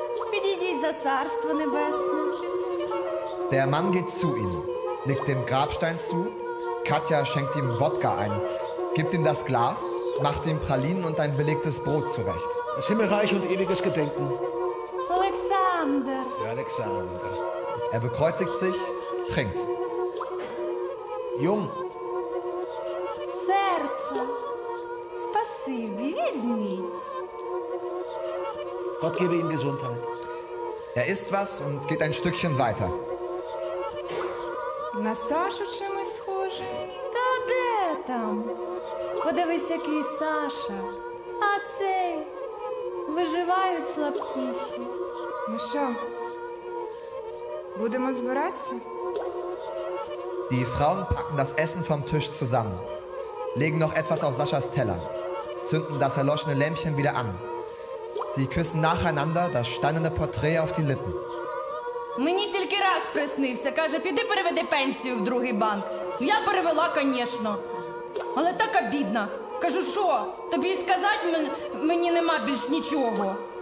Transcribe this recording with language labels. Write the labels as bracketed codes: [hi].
[uk] Підійдіть за царство небесне. [de] Der Mann geht zu ihm, nickt dem Grabstein zu. Katja schenkt ihm Wodka ein, gibt ihm das Glas, macht ihm Pralinen und ein belegtes Brot zurecht. Das Himmelreich und ewiges Gedenken. Alexander. Ja, Alexander. Er bekreuzigt sich, trinkt. Jung. [uk] Серце. Спасибі, візьміть. [de] Gott gebe ihm Gesundheit. Er isst was und geht ein Stückchen weiter. [uk] На Сашу чимось схожий. Та де там? Подивись, який Саша. А цей? Виживають слабкіші. Ну що, будемо збиратися? [de] Die Frauen packen das Essen vom Tisch zusammen, legen noch etwas auf Saschas Teller, zünden das erloschene Lämpchen wieder an. Sie küssen nacheinander das steinerne Porträt auf die Lippen. [uk] Мені тільки раз приснився, каже, піди переведи пенсію в другий банк. Я перевела, конечно. Але так обідно. Кажу, що? Тобі сказати мені нема більш нічого.